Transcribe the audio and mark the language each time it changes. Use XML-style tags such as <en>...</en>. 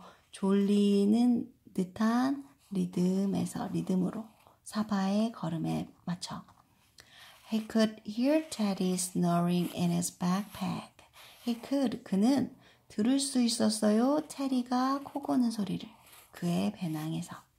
<ko>졸리는 듯한 리듬으로 사바의 걸음에 맞춰.</ko> <en>He could hear Teddy snoring in his backpack. He could,</en> <ko>그는 들을 수 있었어요. 테리가 코 고는 소리를 그의 배낭에서.</ko>